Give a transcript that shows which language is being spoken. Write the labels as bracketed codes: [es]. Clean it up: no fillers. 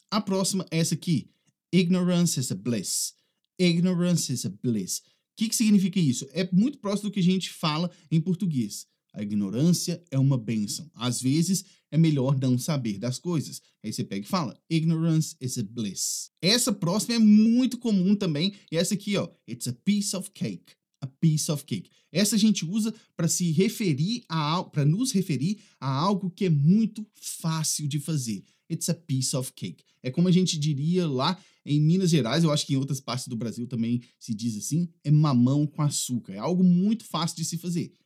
[pt] A próxima é essa aqui. [en] Ignorance is a bliss. [pt] Ignorance is a bliss. O que, que significa isso? É muito próximo do que a gente fala em português. A ignorância é uma bênção. Às vezes, é melhor não saber das coisas. Aí você pega e fala, ignorance is a bliss. Essa próxima é muito comum também. E essa aqui, ó, [en] it's a piece of cake. A piece of cake. [pt] Essa a gente usa para se referir a para nos referir a algo que é muito fácil de fazer. [en] It's a piece of cake. [pt] É como a gente diria lá em Minas Gerais, eu acho que em outras partes do Brasil também se diz assim, é mamão com açúcar. É algo muito fácil de se fazer.